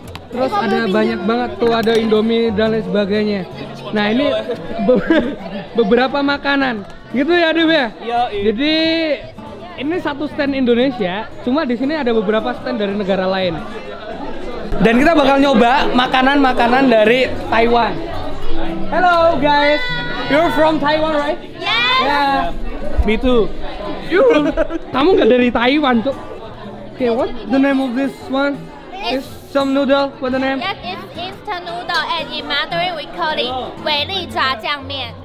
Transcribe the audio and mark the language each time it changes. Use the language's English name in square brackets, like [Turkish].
[Indonesian] Terus ada banyak banget tuh, ada Indomie dan lain sebagainya. Nah ini beberapa makanan gitu ya Dib ya. Jadi ini satu stand Indonesia, cuma di sini ada beberapa stand dari negara lain. Dan kita bakal nyoba makanan-makanan dari Taiwan. [English] Hello guys, you're from Taiwan right? Yes. Yeah. Me too. [Indonesian] You, kamu nggak dari Taiwan tuh? [English] Okay, what the name of this one? It's some noodle. What the name? Yes, it's instant noodle, and in Mandarin we call it 伟力炸酱面.